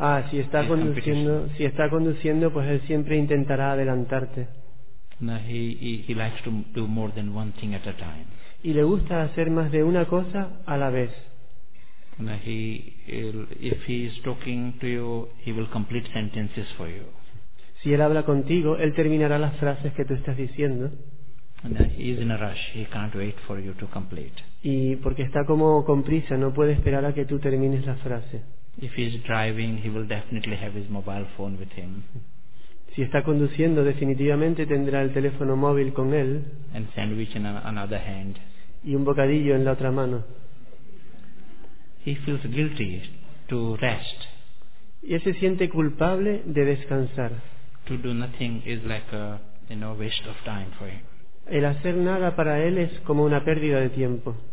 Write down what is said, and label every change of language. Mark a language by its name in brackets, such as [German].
[Spanish] Si está conduciendo, pues él siempre intentará adelantarte. [English] No, he likes to do more than one thing at a time. [Spanish] Y le gusta hacer más de una cosa a la vez. [English] No, if he is talking to you, he will complete sentences for you. [Spanish] Si él habla contigo, él terminará las frases que tú estás diciendo. [English] No, he is in a rush. He can't wait for you to complete. [Spanish] Y porque está como con prisa, no puede esperar a que tú termines la frase. [English] If he is driving, he will definitely have his mobile phone with him. [Spanish] Si está conduciendo, definitivamente tendrá el teléfono móvil con él. [English] And sandwich in another hand. [Spanish] Y un bocadillo en la otra mano. [English] He feels guilty to rest. [Spanish] Y él se siente culpable de descansar. [English] To do nothing is like a, you know, waste of time for him. [Spanish] El hacer nada para él es como una pérdida de tiempo.